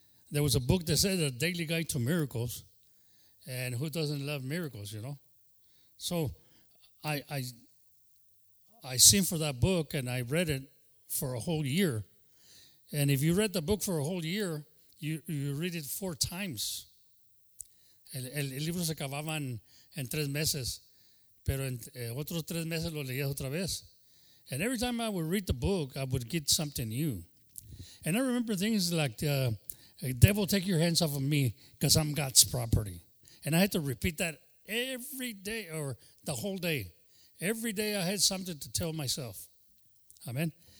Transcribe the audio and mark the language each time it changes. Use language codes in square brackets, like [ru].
[en] There was a book that said, A Daily Guide to Miracles, and who doesn't love miracles, you know? So I seen for that book, and I read it for a whole year. And if you read the book for a whole year, you read it four times. [es] El libro se acababa en tres meses, pero en otros tres meses lo leías otra vez. [en] And every time I would read the book, I would get something new. And I remember things like, devil, take your hands off of me because I'm God's property. And I had to repeat that every day or the whole day. Every day I had something to tell myself. Amen.